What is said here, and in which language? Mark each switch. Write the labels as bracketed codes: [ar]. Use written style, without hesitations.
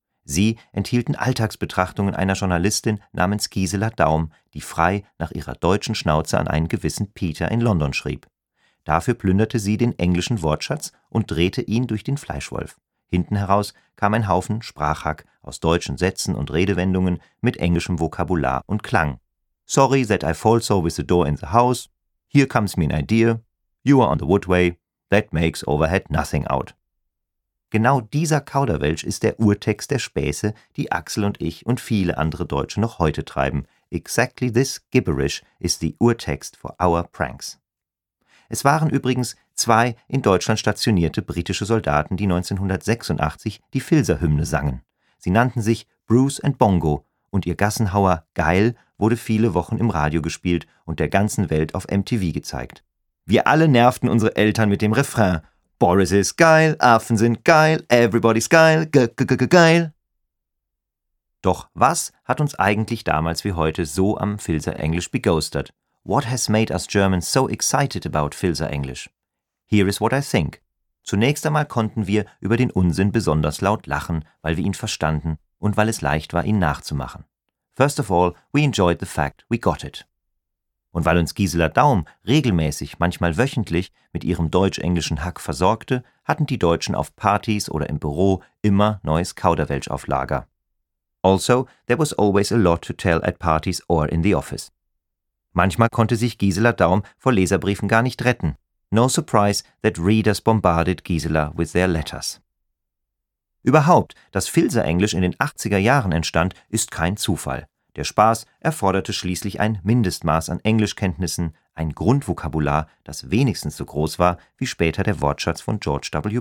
[de] Sie enthielten Alltagsbetrachtungen einer Journalistin namens Gisela Daum, die frei nach ihrer deutschen Schnauze an einen gewissen Peter in London schrieb. Dafür plünderte sie den englischen Wortschatz und drehte ihn durch den Fleischwolf. Hinten heraus kam ein Haufen Sprachhack aus deutschen Sätzen und Redewendungen mit englischem Vokabular und Klang. [en] Sorry that I fall so with the door in the house. Here comes me an idea. You are on the woodway. That makes overhead nothing out. [de] Genau dieser Kauderwelsch ist der Urtext der Späße, die Axel und ich und viele andere Deutsche noch heute treiben. [en] Exactly this gibberish is the Urtext for our pranks. [de] Es waren übrigens zwei in Deutschland stationierte britische Soldaten, die 1986 die Filzer-Hymne sangen. Sie nannten sich Bruce and Bongo und ihr Gassenhauer Geil wurde viele Wochen im Radio gespielt und der ganzen Welt auf MTV gezeigt. Wir alle nervten unsere Eltern mit dem Refrain Boris ist geil, Affen sind geil, everybody's geil, geil. Doch was hat uns eigentlich damals wie heute so am Filzer-Englisch begeistert? [en] What has made us Germans so excited about Filzer-Englisch? Here is what I think. [de] Zunächst einmal konnten wir über den Unsinn besonders laut lachen, weil wir ihn verstanden und weil es leicht war, ihn nachzumachen. [en] First of all, we enjoyed the fact we got it. [de] Und weil uns Gisela Daum regelmäßig, manchmal wöchentlich, mit ihrem deutsch-englischen Hack versorgte, hatten die Deutschen auf Partys oder im Büro immer neues Kauderwelsch auf Lager. [en] Also, there was always a lot to tell at parties or in the office. [de] Manchmal konnte sich Gisela Daum vor Leserbriefen gar nicht retten. [en] No surprise that readers bombarded Gisela with their letters. [de] Überhaupt, dass Filzer-Englisch in den 80er Jahren entstand, ist kein Zufall. Der Spaß erforderte schließlich ein Mindestmaß an Englischkenntnissen, ein Grundvokabular, das wenigstens so groß war wie später der Wortschatz von George W.